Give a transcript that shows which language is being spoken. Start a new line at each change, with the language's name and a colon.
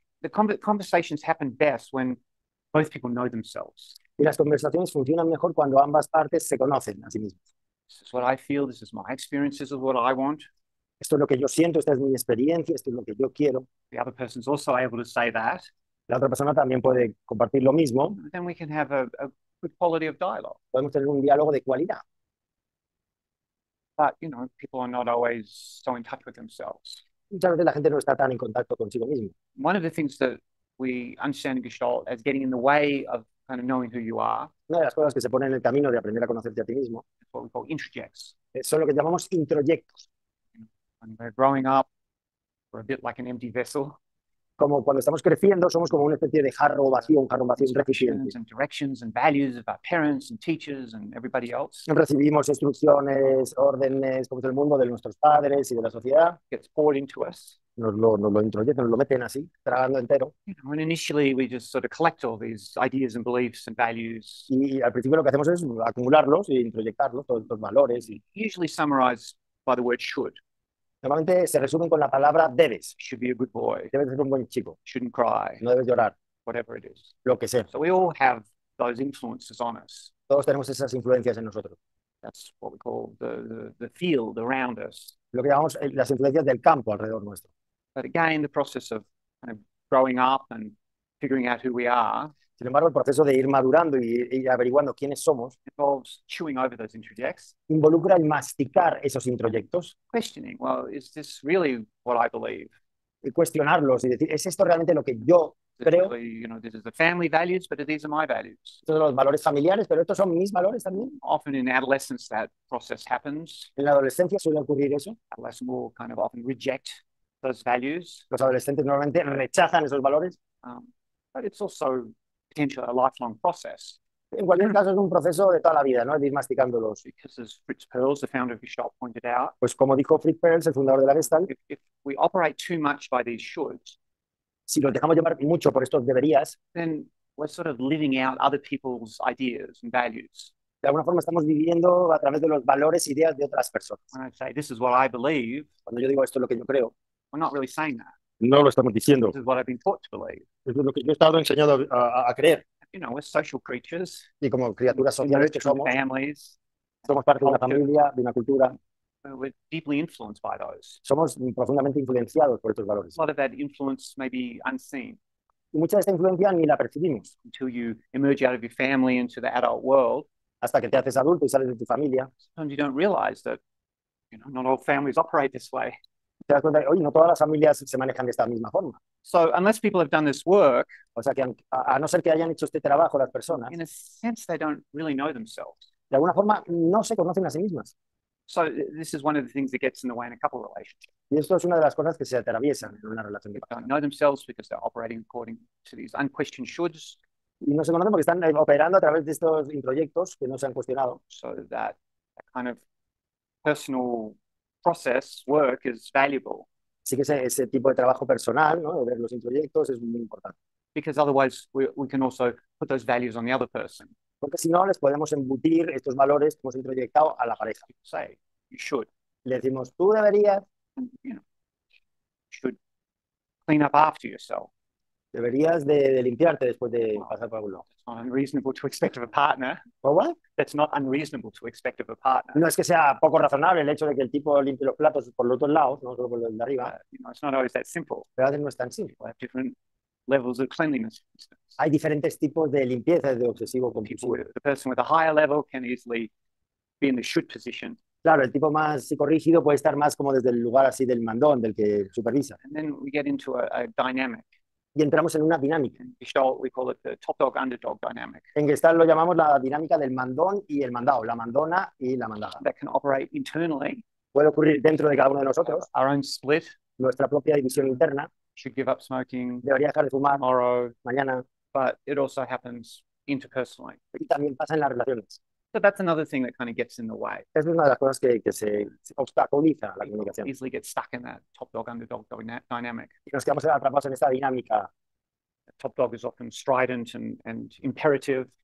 English: Conversations happen best when both people know themselves.
Spanish: Y las conversaciones funcionan mejor cuando ambas partes se conocen a sí mismas.
English: This is what I feel, this is my experience, this is what I want.
Spanish: Esto es lo que yo siento, esta es mi experiencia, esto es lo que yo quiero.
English: The other person's also able to say that.
Spanish: La otra persona también puede compartir lo mismo.
English: Then we can have a good quality of dialogue.
Spanish: Podemos tener un diálogo de cualidad.
English: But, you know, people are not always so in touch with themselves.
Spanish: Muchas veces la gente no está tan en contacto consigo mismo.
English: One of the things that we understand in Gestalt as getting in the way of kind of knowing who you are
Spanish: Una de las cosas que se pone en el camino de aprender a conocerte a ti mismo
English: is what we call interjects.
Spanish: son lo que llamamos introyectos.
English: When we're growing up, we're a bit like an empty vessel.
Spanish: Como cuando estamos creciendo, somos como una especie de jarro vacío, un
English: instructions
Spanish: recipiente.
English: and directions and values of our parents and teachers and everybody else.
Spanish: Recibimos instrucciones, órdenes, como del mundo, de nuestros padres y de la sociedad.
English: Gets poured into us.
Spanish: Nos lo introducen, nos lo meten así, tragando entero.
English: And initially we just sort of collect all these ideas and beliefs and values.
Spanish: Y al principio lo que hacemos es acumularlos e introyectarlos, todos estos valores. Y
English: Usually summarized by the word should.
Spanish: normalmente se resumen con la palabra debes.
English: Should be a good boy.
Spanish: Debes ser un buen chico.
English: Shouldn't cry.
Spanish: No debes llorar.
English: Whatever it is.
Spanish: Lo que sea.
English: So we all have those influences on us.
Spanish: Todos tenemos esas influencias en nosotros.
English: That's what we call the field around us.
Spanish: Lo que llamamos las influencias del campo alrededor nuestro.
English: But again, the process of kind of growing up and figuring out who we are
Spanish: Sin embargo, el proceso de ir madurando y averiguando quiénes somos
English: involves chewing over those interjects
Spanish: involucra el masticar esos
English: and
Spanish: introyectos
English: questioning, well, is this really what I believe?
Spanish: y cuestionarlos y decir, ¿es esto realmente lo que yo
English: It
Spanish: creo?
English: really, you know, this is the family values, but these are my values.
Spanish: Estos son los valores familiares, pero estos son mis valores también.
English: Often in adolescence, that process happens.
Spanish: En la adolescencia suele ocurrir eso.
English: Adolescents will kind of often reject those values.
Spanish: Los adolescentes normalmente rechazan esos valores.
English: But it's also potentially a lifelong process.
Spanish: En cualquier caso, es un proceso de toda la vida, ¿no? Es ir masticándolos.
English: Because as Fritz Perls, the founder of his shop, pointed out,
Spanish: Pues como dijo Fritz Perls, el fundador de la Gestalt,
English: if we operate too much by these shoulds,
Spanish: si nos dejamos llevar mucho por estos deberías,
English: then we're sort of living out other people's ideas and values.
Spanish: de alguna forma estamos viviendo a través de los valores e ideas de otras personas.
English: When I say this is what I believe,
Spanish: Cuando yo digo esto es lo que yo creo,
English: we're not really saying that.
Spanish: no lo estamos
English: This
Spanish: diciendo.
English: is what I've been taught to believe.
Spanish: Es lo que yo he estado enseñado a creer.
English: You know, we're social creatures
Spanish: Y como
English: and
Spanish: criaturas
English: we
Spanish: sociales
English: emerge
Spanish: que
English: from
Spanish: somos,
English: families and
Spanish: somos parte de una
English: cultures.
Spanish: familia, de una cultura.
English: We're deeply influenced by those.
Spanish: Somos profundamente influenciados por estos
English: A
Spanish: valores.
English: lot of that influence may be unseen
Spanish: Y mucha de esta influencia ni la percibimos.
English: until you emerge out of your family into the adult world.
Spanish: Hasta que te haces adulto y sales de tu familia.
English: Sometimes you don't realize that, you know, not all families operate this way.
Spanish: Te das cuenta de, oye, no todas las familias se manejan de esta misma forma.
English: So, unless people have done this work,
Spanish: O sea, que a no ser que hayan hecho este trabajo las
English: in
Spanish: personas,
English: a sense, they don't really know themselves.
Spanish: de alguna forma no se conocen a sí mismas.
English: So, this is one of the things that gets in the way in a couple of relationships.
Spanish: Y esto es una de las cosas que se atraviesan en una relación de
English: They don't
Spanish: pareja.
English: know themselves because they're operating according to these unquestioned shoulds.
Spanish: Y no se conocen porque están operando a través de estos introyectos que no se han cuestionado.
English: So, that kind of personal process work is valuable.
Spanish: Así que ese tipo de trabajo personal, ¿no? De ver los introyectos es muy importante.
English: Because otherwise we can also put those values on the other person.
Spanish: Porque si no, les podemos embutir estos valores que hemos introyectado a la pareja.
English: Say, you should.
Spanish: Le decimos, tú deberías.
English: And, you know, should clean up after yourself.
Spanish: Deberías de limpiarte después de
English: Well,
Spanish: pasar por algún lado.
English: that's not unreasonable to expect of a partner.
Spanish: ¿O what?
English: That's not unreasonable to expect of a partner.
Spanish: No es que sea poco razonable el hecho de que el tipo limpie los platos por los dos lados, no solo por el de arriba.
English: But, you know, it's not always that simple.
Spanish: Pero a veces no es tan simple.
English: People have different levels of cleanliness, for instance.
Spanish: Hay diferentes tipos de limpieza de obsesivo
English: The people
Spanish: compulsivo.
English: with the person with a higher level can easily be in the should position.
Spanish: Claro, el tipo más psicorrígido puede estar más como desde el lugar así del mandón, del que supervisa.
English: And then we get into a dynamic.
Spanish: Y entramos en una dinámica.
English: In Gestalt, we call it the top dog underdog dynamic.
Spanish: En Gestalt lo llamamos la dinámica del mandón y el mandado, la mandona y la mandada.
English: That can operate internally.
Spanish: Puede ocurrir dentro de cada uno de nosotros.
English: Our own split.
Spanish: Nuestra propia división interna
English: Should give up smoking
Spanish: debería dejar de fumar
English: tomorrow,
Spanish: mañana.
English: but it also happens interpersonally.
Spanish: Y también pasa en las relaciones.
English: So that's another thing that kind of gets in the way.
Spanish: Es una de las cosas que se obstaculiza la
English: People
Spanish: comunicación.
English: easily get stuck in that top dog underdog dynamic.
Spanish: Y nos quedamos atrapados en esta dinámica.
English: The top dog is often strident and imperative.